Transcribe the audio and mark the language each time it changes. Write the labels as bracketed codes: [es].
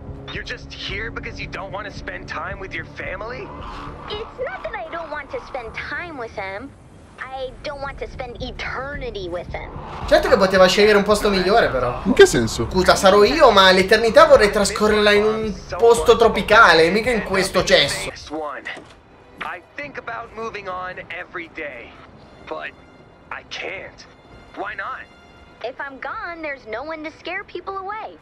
[en] You're just here because you don't want to spend time with your family? It's not that I don't want to spend time with him. I don't want to spend eternity with him. [it] Certo che poteva scegliere un posto migliore, però. In che senso? Scusa, sarò io, ma l'eternità vorrei trascorrerla in un posto tropicale, mica in questo cesso. [en] I think about moving on every day. But I can't. Why not? If I'm gone, there's no one to scare people away.